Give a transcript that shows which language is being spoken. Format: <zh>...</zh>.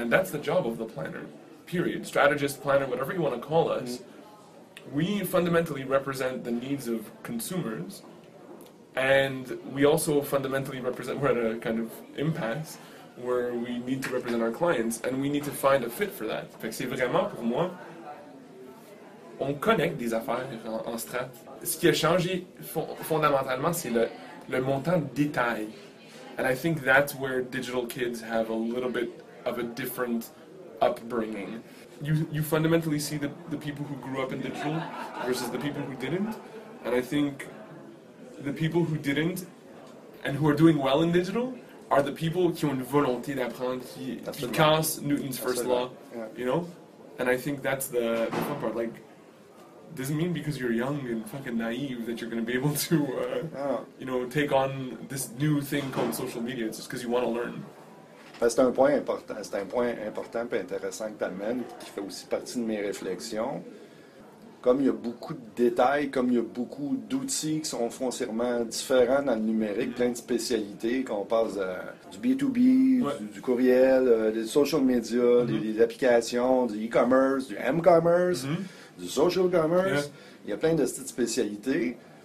<en>And that's the job of the planner, period. Strategist, planner, whatever you want to call us. Mm-hmm. We fundamentally represent the needs of consumers. And we also fundamentally represent, we're at a kind of impasse where we need to represent our clients and we need to find a fit for that.</en> <fr>Fait que c'est vraiment, pour moi, on connecte des affaires en strat. Ce qui a changé fondamentalement, c'est le montant de détail.</fr> <en>And I think that's where digital kids have a little bit of a different upbringing. You fundamentally see the people who grew up in digital versus the people who didn't. And I think the people who didn't and who are doing well in digital are the people</en> <fr>qui ont une volonté d'apprendre, qui cassent</fr> <en>Newton's first law, yeah. you know? And I think that's the fun part. Like, doesn't mean because you're young and fucking naive that you're going to be able to, you know, take on this new thing called social media. It's just because you want to learn.</en> <fr>C'est un point important. C'est un point important et intéressant que tu amènes, qui fait aussi partie de mes réflexions. Comme il y a beaucoup de détails, comme il y a beaucoup d'outils qui sont foncièrement différents dans le numérique, plein de spécialités, qu'on passe du B2B, du courriel, des social media, des applications, du e-commerce, du m-commerce, du social commerce, il y a plein de petites spécialités.</fr>